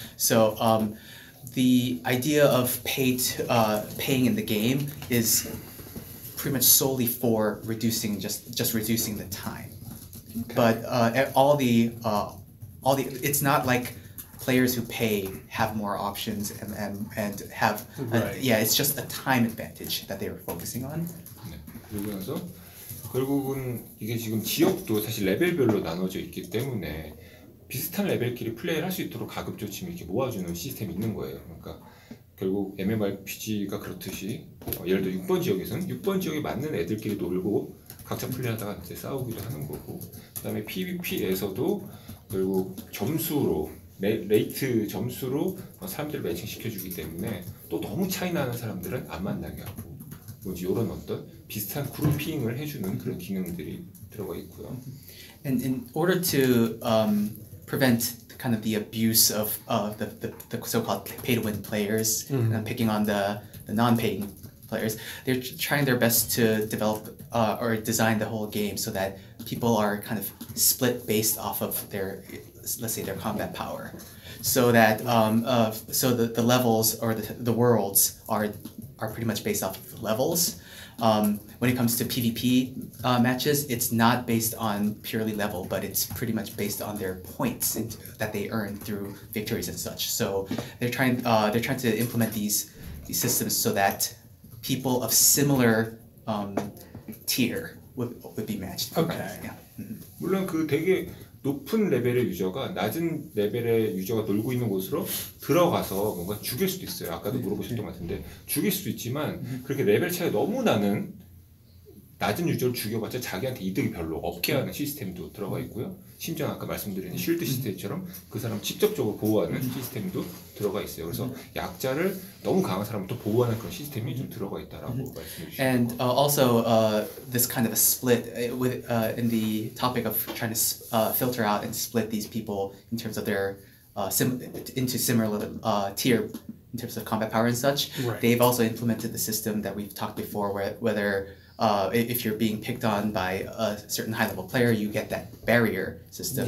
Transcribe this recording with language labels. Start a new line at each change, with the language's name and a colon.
English: So the idea of paying in the game is pretty much solely for reducing just reducing the time. Okay. But it's not like players who pay have more options and have right. It's just a time advantage that they were focusing on.
Korean: 그리고 나서 결국은 이게 지금 지역도 사실 레벨별로 나눠져 있기 때문에 비슷한 레벨끼리 플레이를 할 수 있도록 가급적 지금 이렇게 모아주는 시스템이 있는 거예요. 그러니까 결국 MMORPG가 그렇듯이 예를 들어 6번 지역에서는 6번 지역에 맞는 애들끼리 놀고 각자 플레이하다가 이제 싸우기도 하는 거고, 그 다음에 PVP에서도 결국 점수로 레이트 점수로 사람들을 매칭시켜주기 때문에 또 너무 차이나는 사람들은 안 만나게 하고 뭐지 이런 어떤 비슷한 그룹핑을 해주는 그런 기능들이 들어가 있고요.
English: And in order to prevent kind of the abuse of the so-called pay-to-win players and picking on the non-paying players, they're trying their best to develop or design the whole game so that people are kind of split based off of their, let's say, their combat power, so that so the levels or the worlds are pretty much based off of the levels. When it comes to PvP matches, it's not based on purely level, but it's pretty much based on their points that they earn through victories and such. So they're trying to implement these systems so that people of similar tier would be matched. Okay. Yeah.
Korean: 물론 그 되게 높은 레벨의 유저가 낮은 레벨의 유저가 놀고 있는 곳으로 들어가서 뭔가 죽일 수도 있어요. 아까도 물어보셨던 것 같은데 죽일 수도 있지만 그렇게 레벨 차이가 너무 나는 낮은 유저를 죽여봤자 자기한테 이득이 별로 없게 하는 시스템도 들어가 있고요. 심지어 아까 말씀드린 쉴드 시스템처럼 그 사람 직접적으로 보호하는 시스템도 들어가 있어요. 그래서 약자를 너무 강한 사람부터 보호하는 그런 시스템이 좀 들어가 있다라고 말씀해 주셨고.
English: And also this kind of a split with in the topic of trying to filter out and split these people in terms of their into similar tier in terms of combat power and such. Right. They've also implemented the system that we've talked before whether if you're being picked on by a certain high-level player, you get that barrier system.